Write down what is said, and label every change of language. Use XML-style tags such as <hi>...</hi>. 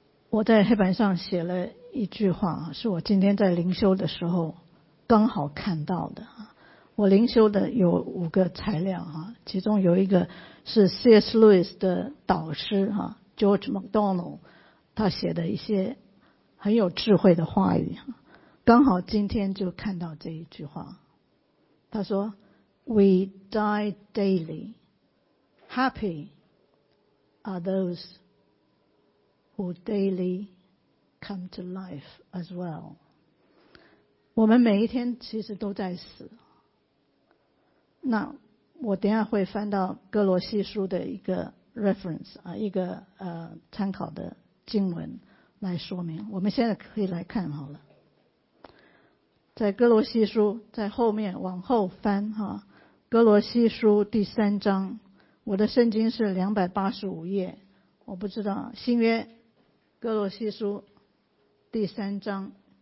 <zh>我在黑板上写了一句话，是我今天在灵修的时候刚好看到的。我灵修的有5个材料，其中有一个是 C.S. Lewis 的导师 George MacDonald 他写的一些很有智慧的话语，刚好今天就看到这一句话。他说</zh> <en>We die daily. Happy are those who daily come to life as well.</en> <zh>我们每一天其实都在死。那我等一下会翻到哥罗西书的一个 reference 啊，一个参考的经文来说明。我们现在可以来看好了，在哥罗西书在后面往后翻哈，哥罗西书3章，我的圣经是285页，我不知道新约，哥罗西书3章。</zh>